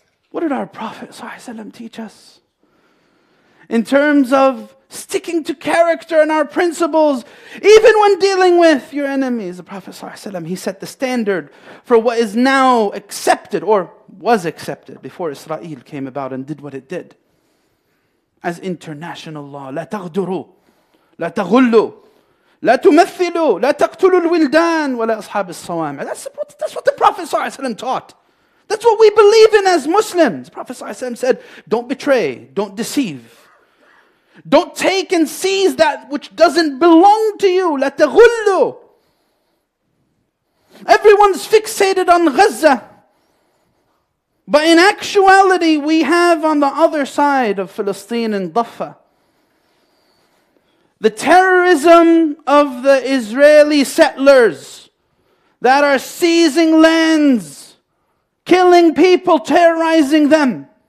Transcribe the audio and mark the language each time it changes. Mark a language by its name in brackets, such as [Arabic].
[English] What did our Prophet ﷺ teach us? In terms of sticking to character and our principles, even when dealing with your enemies, the Prophet ﷺ, he set the standard for what is now accepted, or was accepted before Israel came about and did what it did, as international law. [Arabic] لا تغدروا لا تغلوا لا تمثلوا لا تقتلوا الولدان ولا أصحاب الصوامع. [English] That's what the Prophet ﷺ taught. That's what we believe in as Muslims. The Prophet ﷺ said, don't betray, don't deceive. Don't take and seize that which doesn't belong to you. [Arabic] لا تغلوا. [English] Everyone's fixated on Gaza. But in actuality, we have on the other side of Palestine and Daffa the terrorism of the Israeli settlers that are seizing lands, killing people, terrorizing them.